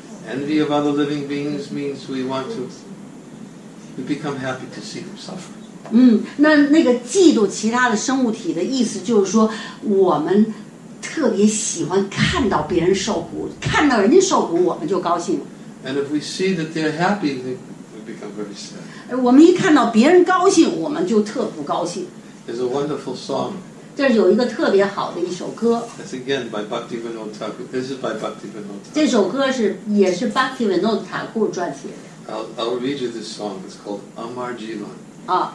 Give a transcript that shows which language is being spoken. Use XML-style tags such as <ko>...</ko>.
<en>Envy of other living beings means we want to, we become happy to see them suffer.</en> <zh>那那个嫉妒其他的生物体的意思就是说我们特别喜欢看到别人受苦，看到人家受苦我们就高兴了。</zh> <en>And if we see that they're happy, we become very sad.</en> <zh>我们一看到别人高兴，我们就特不高兴。</zh> <en>There's a wonderful song.</en> <zh>这有一个特别好的一首歌。</zh> <en>That's again by Bhaktivinoda Thakur. This is by Bhaktivinoda Thakur.</en> <zh>这首歌是也是 Bhaktivinoda Thakur 撰写的。</zh> <en>I'll read you this song. It's called Amar Jivan.</en>